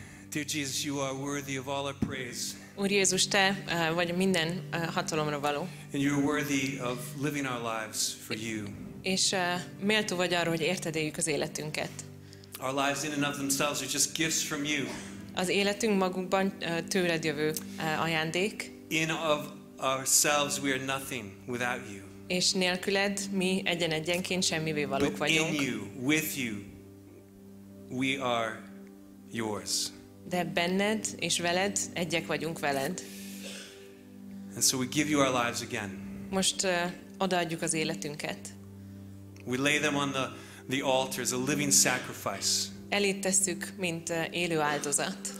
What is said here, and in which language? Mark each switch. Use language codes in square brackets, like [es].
[en] Dear Jesus, you are worthy of all our praise. [hu] Úr Jézus, te vagy minden hatalomra való. [en] And you are worthy of living our lives for you. [hu] És méltó vagy arra, hogy érted éljük az életünket. [en] Our lives in and of themselves are just gifts from you. [hu] Az életünk magunkban tőled jövő ajándék. [en] In of ourselves we are nothing without you. [hu] És nélküled mi egyen-egyenként semmivé valók vagyunk. [en] But in you, with you, we are yours. [hu] De benned és veled egyek vagyunk veled. [en] And so we give you our lives again. [hu] Most odaadjuk az életünket. [en] We lay them on the altar as a living sacrifice. [hu] Elét tesszük, mint élő áldozat.